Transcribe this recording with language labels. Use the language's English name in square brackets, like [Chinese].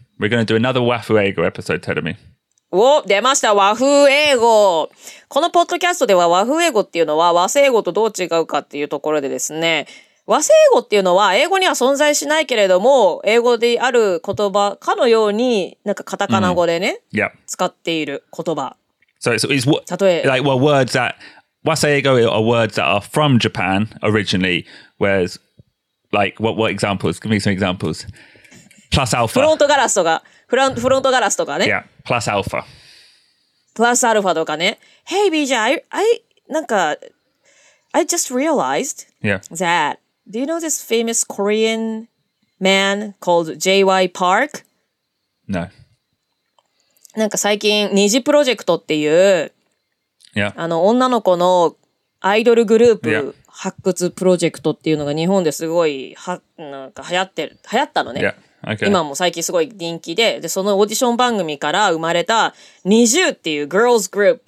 [English] We're going to do another Wafu Eigo episode, Terumi. [Japanese] お、出ました和風英語。このポッドキャストでは和風英語っていうのは和製英語とどう違うかっていうところでですね、和製英語っていうのは英語には存在しないけれども英語である言葉かのようになんかカタカナ語でね、 [English] yeah. [Japanese] 使っている言葉。 [English] So it's what, like, well, words that 和製英語 are words that are from Japan originally, whereas like what examples? Give me some examples. Plus alpha. [Japanese] フロントガラスとか。フロントガラスとかね。 [English] Yeah, plus alpha. Plus alpha [Japanese] とかね。 [English] Hey, BJ, I just realized、 yeah. that, do you know this famous Korean man called J.Y. Park? No. [Japanese] なんか最近、ニジプロジェクトっていう、 [English] yeah. [Japanese] あの女の子のアイドルグループ発掘プロジェクトっていうのが日本ですごいはなんか流行ったのね。 [English] Yeah. Okay. [Japanese] 今も最近すごい人気で、で、そのオーディション番組から生まれた NiziU っていう girls group.